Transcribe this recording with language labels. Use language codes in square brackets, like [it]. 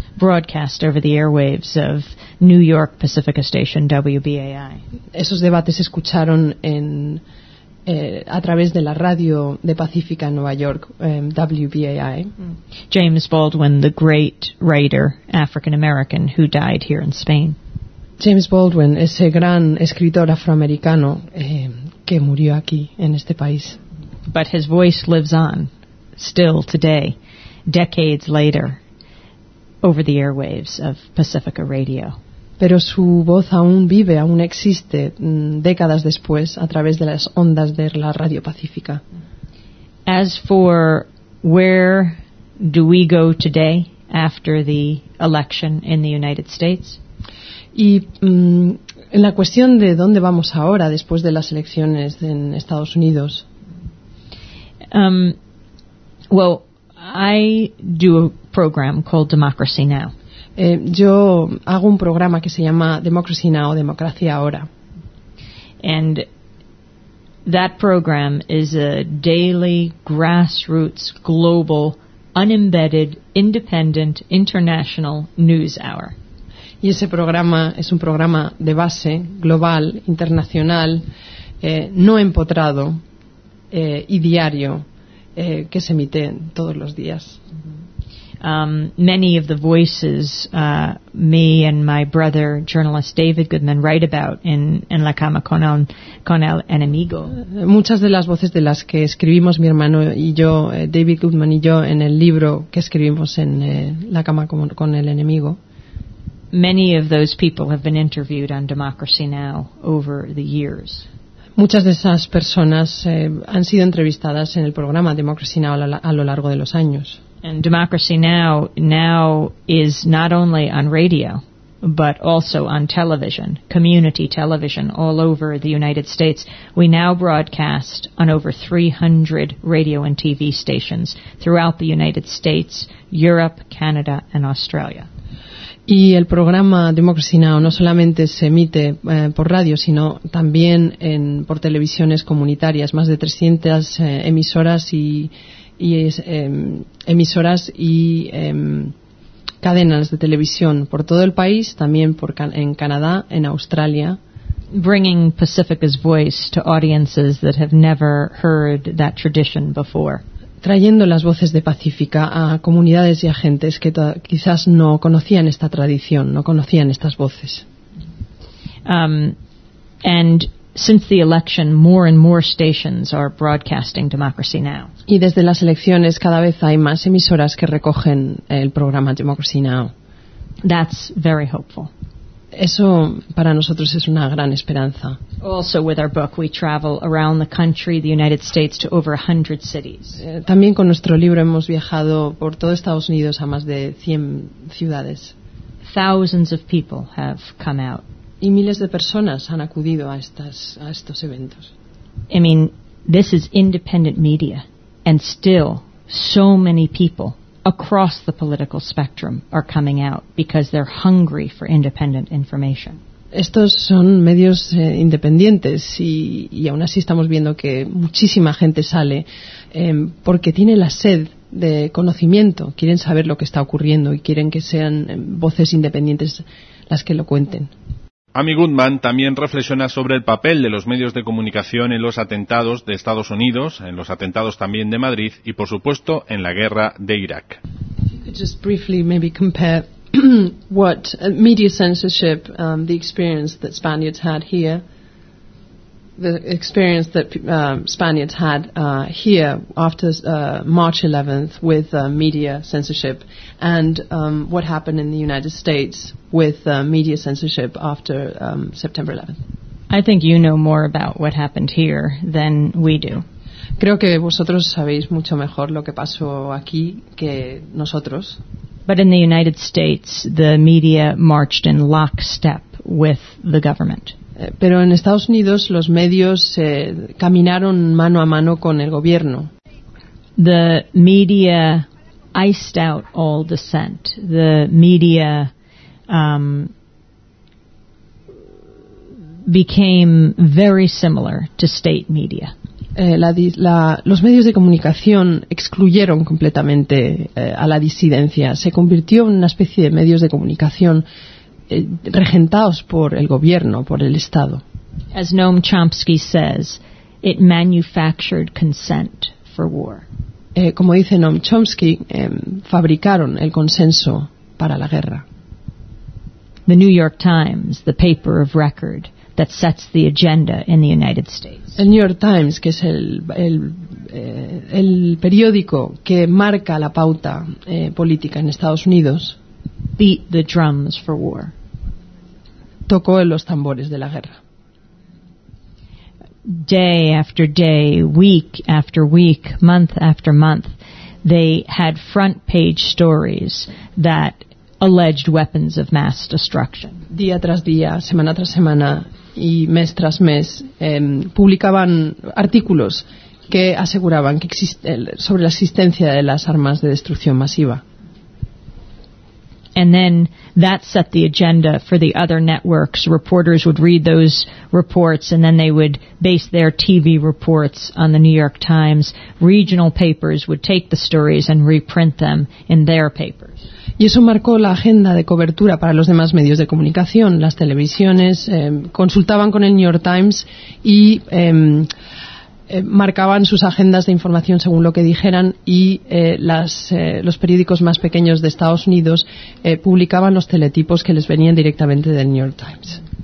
[en] Broadcast over the airwaves of New York Pacifica Station WBAI. [es] Esos debates se escucharon a través de la radio de Pacifica en Nueva York, WBAI. [en] James Baldwin, the great writer, African American, who died here in Spain. [es] James Baldwin, ese gran escritor afroamericano que murió aquí en este país. [en] But his voice lives on, still today, decades later, over the airwaves of Pacifica Radio. [es] Pero su voz aún vive, aún existe, décadas después, a través de las ondas de la radio pacífica. [en] As for where do we go today after the election in the United States? [es] Y en la cuestión de dónde vamos ahora después de las elecciones en Estados Unidos. [en] Well, I do a program called Democracy Now. [es] Yo hago un programa que se llama Democracy Now, Democracia Ahora. [en] And that program is a daily grassroots global unembedded independent international news hour. [es] Y ese programa es un programa de base global, internacional, no empotrado y diario que se emite todos los días. [en] Many of the voices me and my brother journalist David Goodman write about in La Cama con el Enemigo. [es] Muchas de las voces de las que escribimos mi hermano y yo, David Goodman y yo, en el libro que escribimos en La Cama con el Enemigo. [en] Many of those people have been interviewed on Democracy Now over the years. [es] Muchas de esas personas han sido entrevistadas en el programa Democracy Now a lo largo de los años. [en] And Democracy Now now is not only on radio, but also on television, community television all over the United States. We now broadcast on over 300 radio and TV stations throughout the United States, Europe, Canada, and Australia. [es] Y el programa Democracy Now! No solamente se emite por radio, sino también por televisiones comunitarias, más de 300 cadenas de televisión por todo el país, también en Canadá, en Australia. [en] Bringing Pacifica's voice to audiences that have never heard that tradition before. [es] Trayendo las voces de Pacifica a comunidades y a gentes que quizás no conocían esta tradición, no conocían estas voces. [en] And since the election, more and more stations are broadcasting Democracy Now. [es] Y desde las elecciones cada vez hay más emisoras que recogen el programa Democracy Now. [en] That's very hopeful. [es] Eso para nosotros es una gran esperanza. [en] Also with our book we travel around the country, the United States, to over 100 cities. [es] También con nuestro libro hemos viajado por todo Estados Unidos a más de 100 ciudades. [en] Thousands of people have come out. [es] Y miles de personas han acudido a estos eventos. [en] I mean, this is independent media and still so many people across the political spectrum are coming out because they're hungry for independent information. [es] Estos son medios independientes y aún así estamos viendo que muchísima gente sale porque tiene la sed de conocimiento, quieren saber lo que está ocurriendo y quieren que sean voces independientes las que lo cuenten. Amy Goodman también reflexiona sobre el papel de los medios de comunicación en los atentados de Estados Unidos, en los atentados también de Madrid y, por supuesto, en la guerra de Irak. [en] If you could just briefly maybe compare what media censorship, the experience that Spaniards had here, the experience that Spaniards had here after March 11th with media censorship, and what happened in the United States with media censorship after September 11th. I think you know more about what happened here than we do. [es] Creo que vosotros sabéis mucho mejor lo que pasó aquí que nosotros. [en] But in the United States, the media marched in lockstep with the government. [es] Pero en Estados Unidos los medios caminaron mano a mano con el gobierno. [en] The media iced out all dissent. The media became very similar to state media. [es] Los medios de comunicación excluyeron completamente a la disidencia. Se convirtió en una especie de medios de comunicación regentados por el gobierno, por el Estado. [en] As Noam Chomsky says, it manufactured consent for war. [es] Como dice Noam Chomsky, fabricaron el consenso para la guerra. [en] The New York Times, the paper of record that sets the agenda in the United States. [es] El New York Times, que es el periódico que marca la pauta política en Estados Unidos, [en] beat the drums for war. [es] Tocó en los tambores de la guerra. [en] Day after day, week after week, month after month, they had front page stories that alleged weapons of mass destruction. [es] Día tras día, semana tras semana y mes tras mes, publicaban artículos que aseguraban que sobre la existencia de las armas de destrucción masiva. [en] And then that set the agenda for the other networks. Reporters would read those reports and then they would base their TV reports on the New York Times. Regional papers would take the stories and reprint them in their papers. [es] Y eso marcó la agenda de cobertura para los demás medios de comunicación. Las televisiones consultaban con el New York Times y marcaban sus agendas de información según lo que dijeran y los periódicos más pequeños de Estados Unidos publicaban los teletipos que les venían directamente del New York Times.